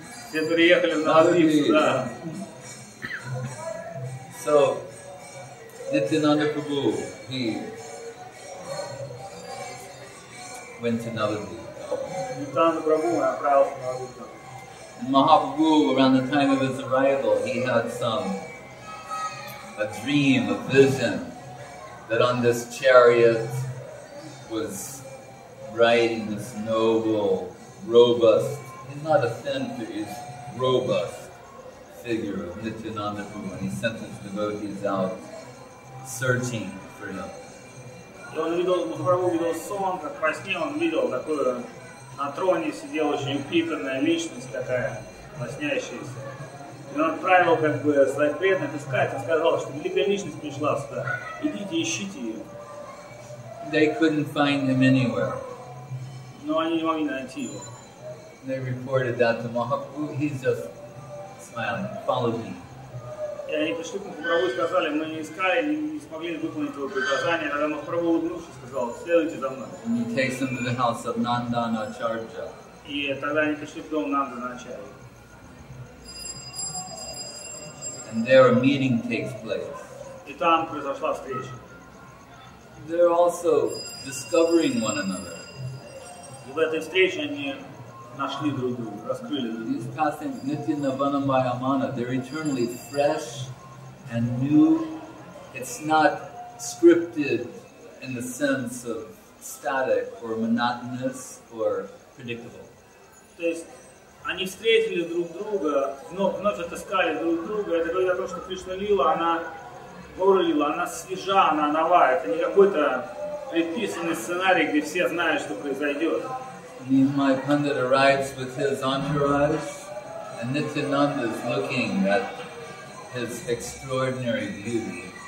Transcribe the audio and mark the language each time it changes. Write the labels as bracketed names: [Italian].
[Russian] Все переехали в Навадвип сюда. [English] So, Nityananda Prabhu, he went to Navadvipa. Mahaprabhu, around the time of his arrival, he had a dream, a vision, that on this chariot was riding this noble, robust, he's not a thin figure, he's robust. Figure of Nityananda Prabhu, and he sent his devotees out searching for him. [Russian] Он видел, Махапрабху видел сон, как во сне он видел такую на троне сидела очень упитанная личность такая, лоснящаяся. И он отправил как бы своих преданных искать, он сказал, что великая личность пришла сюда, идите ищите ее. [English] They couldn't find him anywhere. [Russian] Но они не могли найти его. [English] They reported that to Махапрабху, he's just follow me. [Russian] И они пришли к Махапрабху и сказали, мы не искали, не смогли выполнить его предложение. Тогда Махапрабху улыбнувшись сказал, следуйте за мной. [English] And he takes them to the house of Nandana Acharya. [Russian] И тогда они пришли в дом Нандана Ачарьи. [English] And there a meeting takes place. [Russian] И там произошла встреча. [English] They're also discovering one another. [Russian] И в этой встрече они нашли друг друга, раскрыли друг друга. [English] These pastimes, Nityanavana Mayamana, they're eternally fresh and new. It's not scripted in the sense of static or monotonous or predictable. [Russian] То есть, они встретили друг друга, вновь отыскали друг друга. Это говорит о том, что Кришна Лила, она Гора Лила, она свежа, она нова. Это не какой-то предписанный сценарий, где все знают, что произойдет. [English] Nimai Pandit arrives with his entourage and Nityananda is looking at his extraordinary beauty.